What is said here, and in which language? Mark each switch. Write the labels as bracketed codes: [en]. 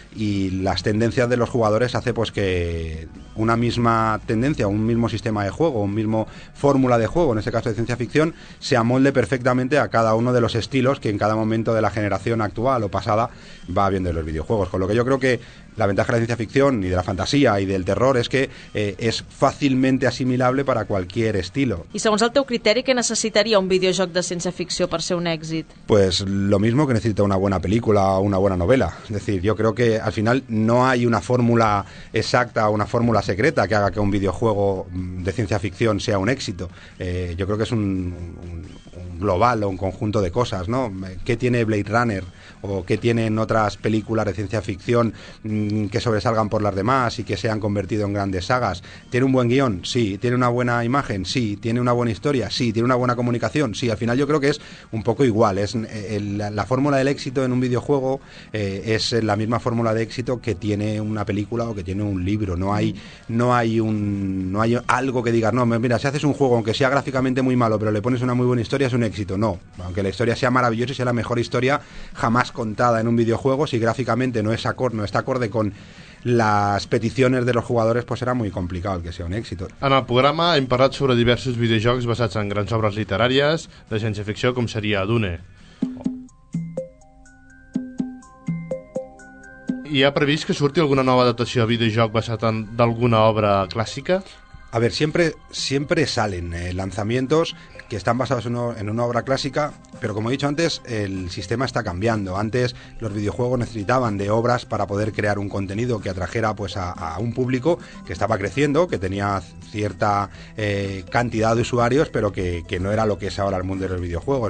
[es] y las tendencias de los jugadores hace pues que una misma tendencia, un mismo sistema de juego, un mismo fórmula de juego, en este caso de ciencia ficción, se amolde perfectamente a cada uno de los estilos que en cada momento de la generación actual o pasada va viendo en los videojuegos. Con lo que yo creo que la ventaja de la ciencia ficción y de la fantasía y del terror es que es [ca] fàcilment assimilable per a qualsevol estil. I segons el teu criteri, què necessitaria un videojoc de ciència ficció per ser un èxit? [es] Pues lo mismo que necesita una buena película o una buena novela. Es decir, yo creo que al final no hay una fórmula exacta o una fórmula secreta que haga que un videojuego de ciencia ficción sea un éxito. Yo creo que es un global o un conjunto de cosas, ¿no? ¿Qué tiene Blade Runner? ¿O qué tienen otras películas de ciencia ficción que sobresalgan por las demás y que se han convertido en grandes sagas? ¿Tiene un buen guión? Sí. ¿Tiene una buena imagen? Sí. ¿Tiene una buena historia? Sí. ¿Tiene una buena comunicación? Sí. Al final yo creo que es un poco igual. Es la fórmula del éxito en un videojuego es la misma fórmula de éxito que tiene una película o que tiene un libro. No hay algo que digas, no, mira, si haces un juego, aunque sea gráficamente muy malo, pero le pones una muy buena historia, es un éxito. No. Aunque la historia sea maravillosa y sea la mejor historia jamás contada en un videojuego, si gráficamente no está acorde con [ca] les peticions dels jugadors, [es] pues [ca] serà molt complicat que sigui un èxit. En el programa hem parlat sobre diversos videojocs basats en grans obres literàries de ciència-ficció, com seria Dune. Hi ha previst que surti alguna nova adaptació de videojoc basat en d'alguna obra clàssica? [es] A ver, siempre salen lanzamientos que están basados en una obra clásica, pero como he dicho antes, el sistema está cambiando. Antes los videojuegos necesitaban de obras para poder crear un contenido que atrajera pues a un público que estaba creciendo, que tenía cierta cantidad de usuarios, pero que no era lo que es ahora el mundo de los videojuegos.